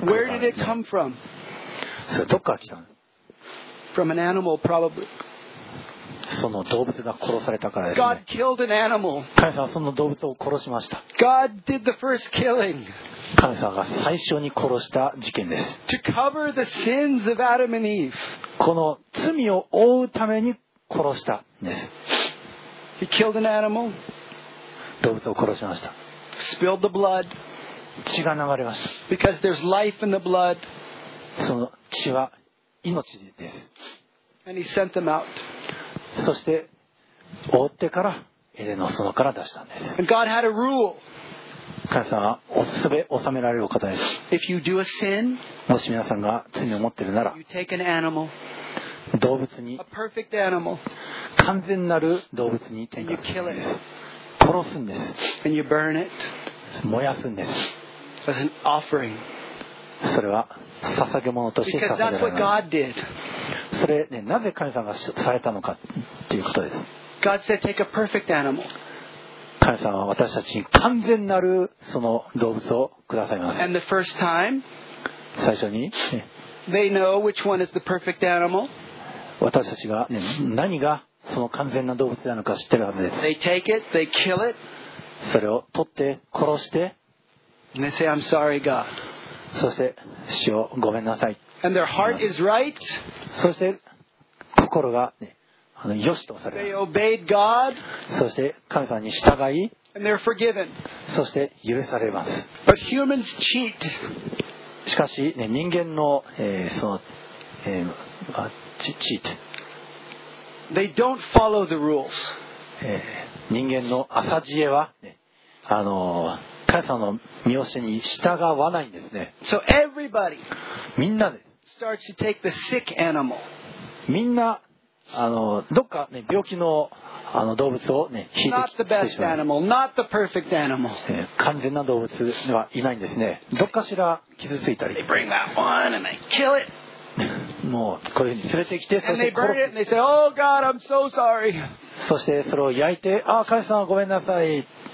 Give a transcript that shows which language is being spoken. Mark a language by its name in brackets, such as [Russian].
[English] Where did it come from? [Japanese] それどこから来たの? [English] From an animal, probably. [Japanese] その動物が殺されたからですね。 [English] God killed an animal. [Japanese] 神様はその動物を殺しました。 [English] God did the first killing. [Japanese] 神様が最初に殺した事件です。 [English] To cover the sins of Adam and Eve. [Japanese] この罪を覆うために殺したんです。 [English] He killed an animal. [Japanese] 動物を殺しました。 [English] Spilled the blood. [Japanese] 血が流れました。 [English] Because there's life in the blood. [Japanese] その血は命です。 [English] And he sent them out. [Japanese] そして追ってからエデンの園から出したんです。 [English] And God had a rule. [Japanese] 神様はすべ収められる方です。 [English] If you do a sin, [Japanese] もし皆さんが罪を持っているなら、 [English] you take an animal, [Japanese] 動物に、 [English] a perfect animal, [Japanese] 完全なる動物に転化するんです。殺すんです。 [English] And you burn it, [Japanese] 燃やすんです。 [English] As an offering. [Japanese] それは捧げ物として捧げられます。それ、ね、なぜ神様がされたのかということです。 [English] God said, take a perfect animal. [Japanese] 神様は私たちに完全なるその動物をくださいます。 [English] And the first time, [Japanese] 最初に、 [English] ね、they know which one is the perfect animal. [Japanese] 私たちが、ね、何がその完全な動物なのか知ってるはずです。 [English] They take it, they kill it. [Japanese] それを取って殺して、 [English] And they say, I'm sorry, God. [Japanese] そして主よごめんなさい。 [English] And their heart is right. [Japanese] そして心が、ね、よしとされる。 [English] They obeyed God. [Japanese] そして神様に従い。 [English] And they're forgiven. [Japanese] そして許されます。 [English] But humans cheat. [Japanese] しかし、ね、人間の、そのcheat. [English] They don't follow the rules. [Japanese] 人間の浅知恵は、ね、神様の見教えに従わないんですね。 [English] So everybody [Japanese] みんなで [English] starts to take the sick animal. [Japanese] みんなどっか、ね、病気 の, 動物を、ね、引いてきてしまう。 [English] Not the best animal. [Japanese] 完全な動物はいないんですね。どっかしら傷ついたり。 [English] They bring that one and they kill it. [Japanese] もうこういうふうに連れてきて、そして殺す。 [English] And they burn it and they say, Oh God, I'm so sorry. [Japanese] そしてそれを焼いて、あ、神様ごめんなさい。